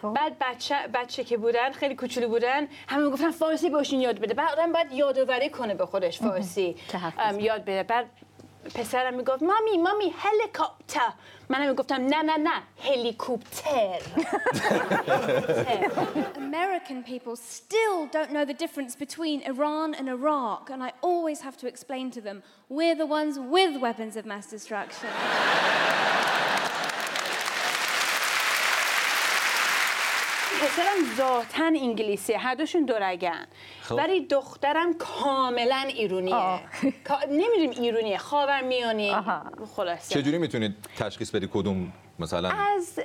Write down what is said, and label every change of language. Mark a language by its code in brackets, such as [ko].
[fa] بعد بچه که بودن خیلی کوچولو بودن همه میگفتن فارسی باشین یاد بده بعد آدم باید یادآوری کنه به خودش فارسی یاد بده بعد پسرم میگفت مامی مامی هلیکوپتر منم میگفتم نه نه نه هلیکوپتر [en] American people still don't know the difference between Iran and Iraq and I always have to explain to them we're the ones with weapons of mass destruction [fa] پسرم ذاتن انگلیسی هر دوشون دورگن ولی دخترم کاملا ایرونیه نمیدونیم ایرونیه خاورمیانه خلاصه چجوری میتونید تشخیص بدی کدوم مثلا از